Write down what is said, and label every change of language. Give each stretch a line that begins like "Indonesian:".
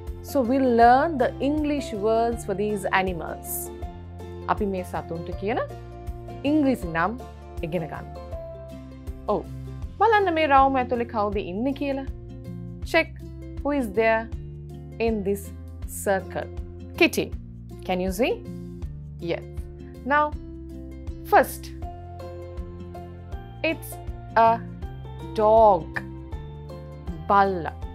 English: So we'll learn the English words for these animals.
Sinhala: අපි මේ සතුන්ට කියන ඉංග්‍රීසි නම් ඉගෙන ගන්න. ඔව්. බලන්න මේ රවුම ඇතුලේ කවුද ඉන්නේ කියලා.
English: Check who is there in this circle. Kitty, can you see? Yes. Now, first, it's a dog.
Sinhala: Balla.